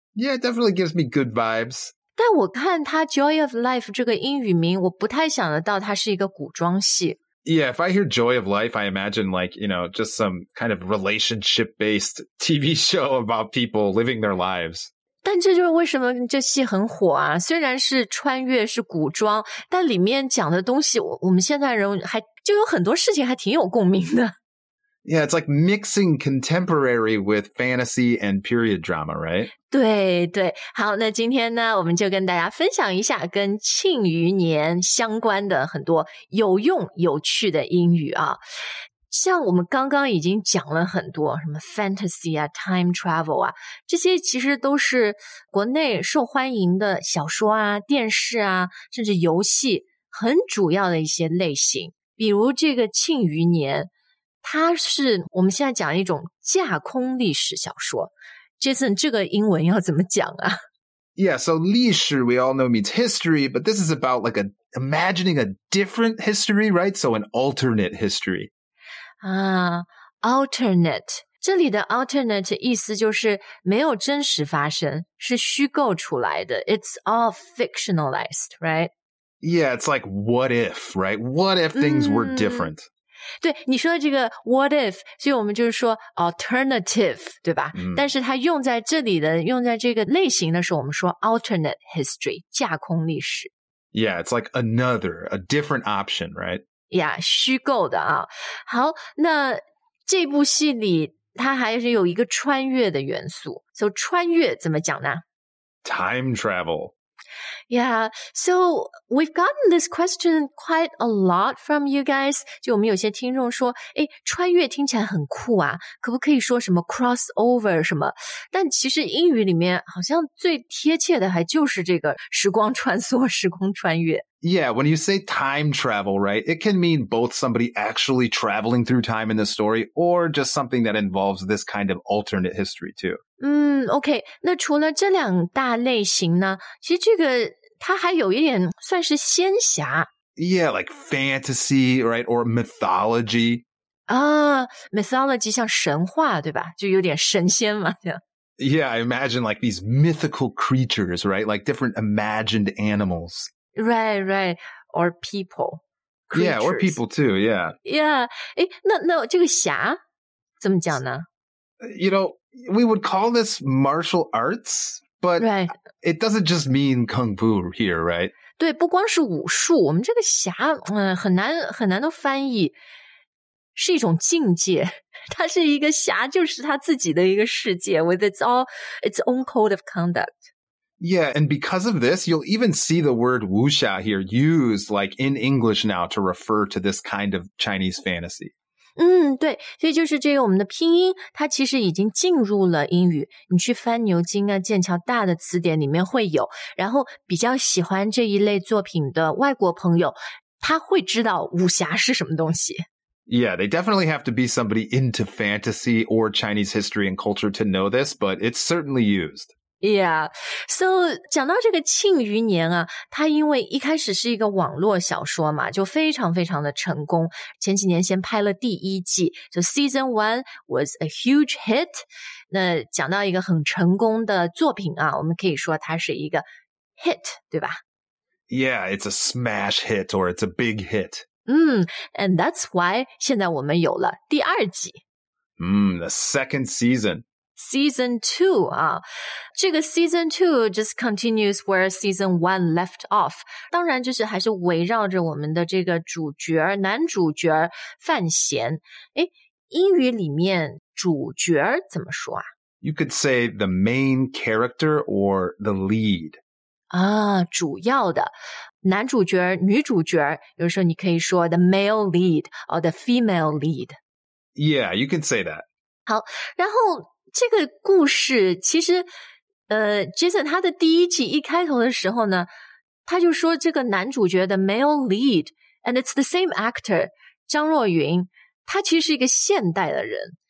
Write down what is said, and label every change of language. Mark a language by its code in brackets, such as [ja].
[en] Yeah, it definitely gives me good vibes. [zh] 但我看他 Joy of Life 这个英语名我不太想得到它是一个古装戏。 [en] Yeah, if I hear Joy of Life, I imagine like, you know, just some kind of relationship-based TV show about people living their lives. [zh] 但这就是为什么这戏很火啊，虽然是穿越是古装，但里面讲的东西我们现在人还就有很多事情还挺有共鸣的。 [en] Yeah, it's like mixing contemporary with fantasy and period drama, right? [zh] 对对，好，那今天呢我们就跟大家分享一下跟庆余年相关的很多有用有趣的英语啊。像我们刚刚已经讲了很多什么 fantasy 啊 time travel 啊，这些其实都是国内受欢迎的小说啊电视啊甚至游戏很主要的一些类型。比如这个庆余年，它是我们现在讲一种架空历史小说。 Jason， 这个英文要怎么讲啊？ [en] Yeah, so 历史 we all know means history, but this is about like imagining a different history, right? So an alternate history. [zh] Alternate. 这里的 alternate 意思就是没有真实发生，是虚构出来的。 [en] It's all fictionalized, right? Yeah, it's like what if, right? What if things were different? [zh] 对，你说的这个 what if, 所以我们就是说 alternative, 对吧？但是它用在这里的，用在这个类型的时候，我们说 alternate history, 架空历史。 [en] Yeah, it's like another, a different option, right? [zh] Yeah, 虚构的啊。好，那这部戏里它还是有一个穿越的元素。 So, 穿越怎么讲呢？ [en] Time travel. Yeah, so we've gotten this question quite a lot from you guys. [zh] 就我们有些听众说，诶，穿越听起来很酷啊，可不可以说什么 crossover 什么？但其实英语里面好像最贴切的还就是这个时光穿梭，时空穿越。 [en] Yeah, when you say time travel, right, it can mean both somebody actually traveling through time in the story or just something that involves this kind of alternate history too. [zh] Okay, 那除了这两大类型呢，其实这个它还有一点算是仙侠。 [en] Yeah, like fantasy, right, or mythology. [zh] Mythology 像神话对吧，就有点神仙嘛。 [en] Yeah, I imagine like these mythical creatures, right, like different imagined animals. Right, right. Or people. Creatures. Yeah, or people too, yeah. [zh] Yeah. 诶，那这个侠怎么讲呢？ [en] You know, we would call this martial arts, but right. It doesn't just mean kung fu here, right? [zh] 对，不光是武术，我们这个侠很难都翻译，是一种境界。它是一个侠，就是他自己的一个世界 [en] with its own code of conduct. Yeah, and because of this, you'll even see the word wuxia here used like in English now to refer to this kind of Chinese fantasy. [zh] 对，所以就是这个我们的拼音，它其实已经进入了英语。你去翻牛津啊、剑桥大的词典里面会有。然后比较喜欢这一类作品的外国朋友，他会知道武侠是什么东西。 [en] Yeah, they definitely have to be somebody into fantasy or Chinese history and culture to know this, but it's certainly used. [zh] Yeah, so 讲到这个庆余年啊，它因为一开始是一个网络小说嘛，就非常非常的成功。前几年先拍了第一季，就 [en] season one was a huge hit。 [zh] 那讲到一个很成功的作品啊，我们可以说它是一个 hit, 对吧？ [en] Yeah, it's a smash hit or it's a big hit. And that's why [zh] 现在我们有了第二季。 [en] The second season. Season 2, [zh] 啊，这个 [en] Season 2 just continues where Season 1 left off. [zh] 当然就是还是围绕着我们的这个主角，男主角范闲。诶，英语里面主角怎么说啊？ [en] You could say the main character or the lead. [zh] 啊，主要的。男主角、女主角，有时候你可以说 [en] the male lead or the female lead. Yeah, you can say that. [zh] 好，然后这个故事其实，Jason 他的第一集一开头的时候呢，他就说这个男主角 [en] the male lead, and it's the same actor, [zh] 张若昀，他其实是一个现代的人。